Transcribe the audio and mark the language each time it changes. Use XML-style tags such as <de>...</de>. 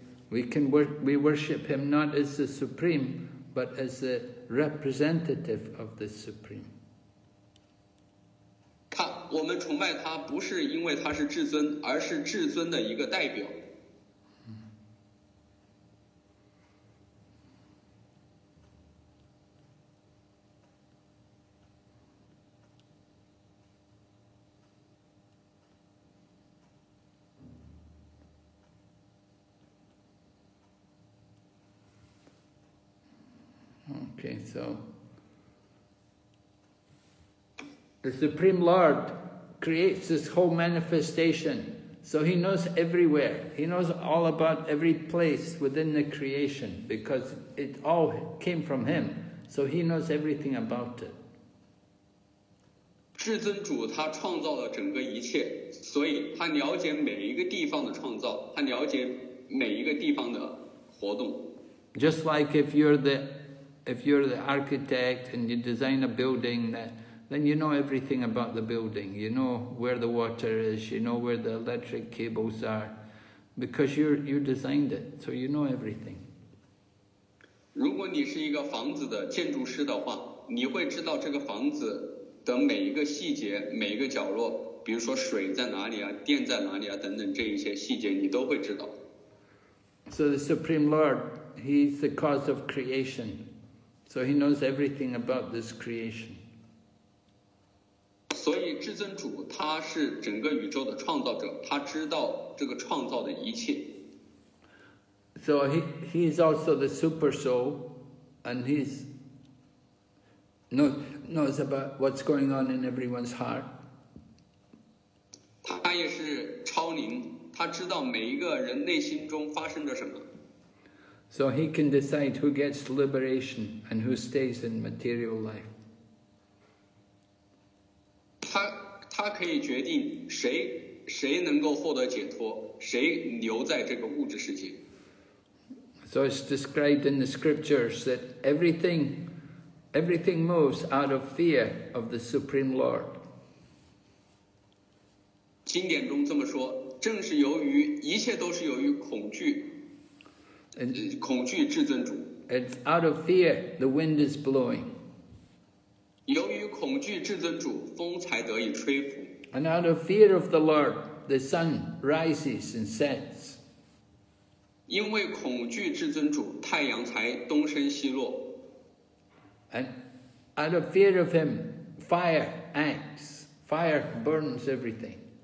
<en>We worship him not as the Supreme, but as the representative of the Supreme.</en> <zh>他，我们崇拜他不是因为他是至尊，而是至尊的一个代表。</zh> <en>Okay, so the Supreme Lord creates this whole manifestation, so he knows everywhere. He knows all about every place within the creation because it all came from him, so he knows everything about it.</en> <zh>至尊主他创造了整个一切，所以他了解每一个地方的创造，他了解每一个地方的活动。</zh> <en>Just like if you're the architect and you design a building, then you know everything about the building. You know where the water is, you know where the electric cables are, because you designed it, so you know everything.</en> <zh>如果你是一个房子的建筑师的话，你会知道这个房子的每一个细节，每一个角落，比如说水在哪里啊，电在哪里啊，等等这一些细节你都会知道。</zh> <en>So the Supreme Lord, he's the cause of creation. So he knows everything about this creation.</en> <zh>所以至尊主他是整个宇宙的创造者，他知道这个创造的一切。</zh> <en>So he is also the super soul, and he's knows about what's going on in everyone's heart.</en> <zh>他也是超灵，他知道每一个人内心中发生着什么。</zh> <en>So he can decide who gets liberation and who stays in material life.</en> <zh>他可以决定谁能够获得解脱，谁留在这个物质世界。</zh> <en>So it's described in the scriptures that everything moves out of fear of the Supreme Lord.</en> <zh>经典中这么说，正是由于一切都是由于恐惧。</zh> <en>It's out of fear, the wind is blowing.</en> <zh>由于恐惧至尊主，风才得以吹拂。</zh> <en>And out of fear of the Lord, the sun rises and sets.</en> <zh>因为恐惧至尊主，太阳才东升西落。</zh> <en>And out of fear of him, fire acts. Fire burns everything.</en>